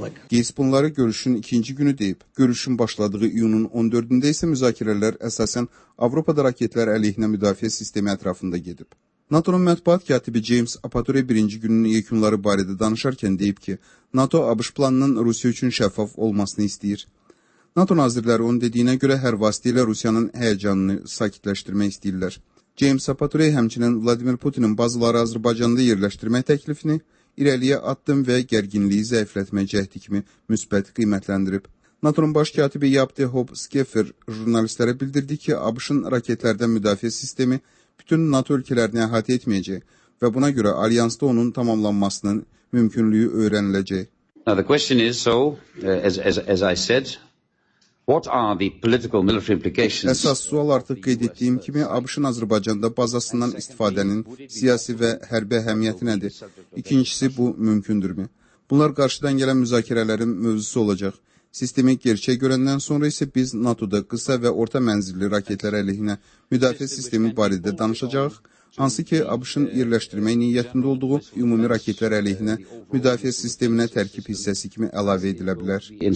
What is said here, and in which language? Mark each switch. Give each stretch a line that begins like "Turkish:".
Azerbaijani: Gates bunları görüşün ikinci günü deyib. Görüşün başladığı iyunun 14-də isə müzakirələr əsasən Avropada raketlər əleyhinə müdafiə sistemi ətrafında gedib. NATO-nun mətbuat katibi James Apatore birinci gününün yekunları barədə danışarkən deyib ki, NATO ABŞ planının Rusiya üçün şəffaf olmasını istəyir. NATO nazirləri onun dediyinə görə hər vasitə ilə Rusiyanın həyəcanını sakitləşdirmək istəyirlər. James Apatore həmçinin Vladimir Putinin bazıları Azərbaycanda yerləşdirmək təklifini irəliyə attım və gərginliyi zəiflətmək cəhdi kimi müsbət qiymətləndirib. NATO-nun baş katibi Yabdi Hob Skeffer jurnalistlərə bildirdi ki, ABŞ-ın raketlərdən müdafiə sistemi bütün NATO ölkələrini əhatə etməyəcək və buna görə alyansda onun tamamlanmasının mümkünlüyü öyrəniləcək.
English: Now the question is, so, as I said, what are the political military implications?
Azerbaijani: Əsas sual artıq qeyd etdiyim kimi ABŞ-ın Azərbaycanda bazasından istifadənin siyasi və hərbi əhəmiyyəti nədir? İkincisi, bu mümkündürmü? Bunlar qarşıdan gələn müzakirələrin mövzusu olacaq. Sistemi gerçeğe görenden sonra ise biz NATO'da kısa ve orta menzilli raketler aleyhine müdafiye sistemi bari de danışacağız. Hansı ki ABŞ'ın yerleştirme niyetinde olduğu ümumi raketler aleyhine müdafiye sistemine terkip hissesi kimi elave edilebilir.